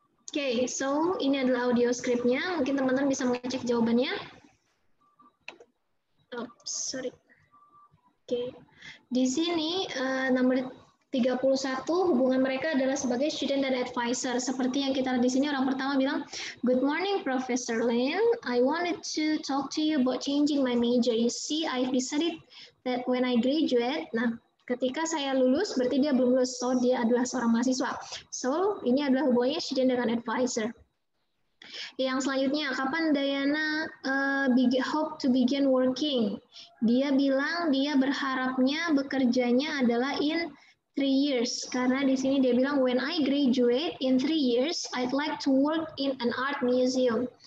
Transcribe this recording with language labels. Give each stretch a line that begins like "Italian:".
Indonesian: Okay, so ini adalah audio scriptnya. Mungkin teman-teman bisa mengecek jawabannya. Oops, sorry. Okay. Di sini nomor 31, hubungan mereka adalah sebagai student dan advisor. Seperti yang kita lihat di sini, orang pertama bilang, "Good morning, Professor Lin.
English: I wanted to talk to you about changing my major. You see, I've decided that when I graduate," nah, ketika saya lulus, berarti dia belum lulus.
Indonesian: So, dia adalah seorang mahasiswa. So, ini adalah hubungannya student dengan advisor. Yang selanjutnya, kapan Diana hope to begin working? Dia bilang dia berharapnya bekerjanya adalah in 3 years, karena di sini dia bilang, "When I graduate in 3 years, I'd like to work in an art museum."